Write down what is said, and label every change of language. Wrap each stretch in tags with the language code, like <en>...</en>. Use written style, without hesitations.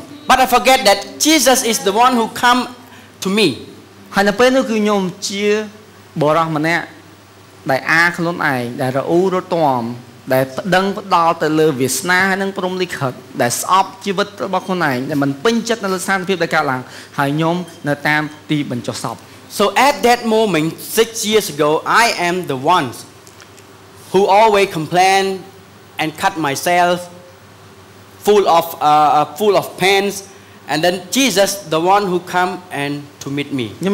<en>But I forget that Jesus is the one who come to me.</en> <km>ហើយ នៅ ពេល នោះ គឺ ខ្ញុំ ជា បរោះ ម្នាក់ ដែល អា ខ្លួន ឯង ដែល រអ៊ូ រត់ ទាំ ដែល ប្តឹង ផ្តល់ ទៅ លើ វាសនា ហើយ នឹង ព្រំ លិខិត ដែល ស្អប់ ជីវិត របស់ ខ្លួន ឯង ដែល មិន ពេញ ចិត្ត នៅ លើ ស្ថាន ភាព ដែល កើត ឡើង ហើយ ខ្ញុំ នៅ តាម ទី បញ្ចុះ សព</km> <en>So at that moment 6 years ago I am the one who always complain and cut myself full of pains, and then Jesus, the one who come and to meet me.</en>